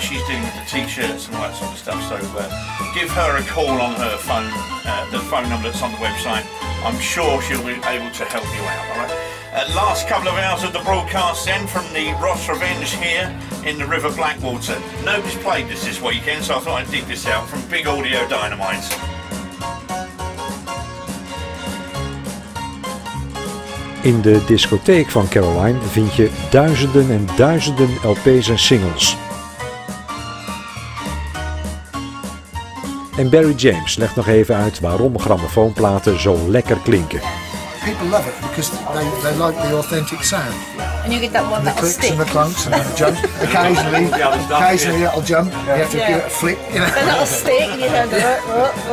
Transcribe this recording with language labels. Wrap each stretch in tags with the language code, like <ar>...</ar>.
<en>She's dealing with the t-shirts and all that sort of stuff, so give her a call on her phone, the phone number that's on the website. I'm sure she'll be able to help you out, alright? Last couple of hours of the broadcast then from the Ross Revenge here in the River Blackwater. Nobody's played this weekend, so I thought I'd dig this out from Big Audio Dynamite.</en> <nl>In de discotheek van Caroline vind je duizenden en duizenden LP's en singles. En Barry James legt nog even uit waarom grammofoonplaten zo lekker klinken.</nl> <en>People love it because they like the authentic sound. And you get that one the clicks and the clunks and the jump. Occasionally it'll jump. You have to give it a flick. A little stick and you have to go.</en>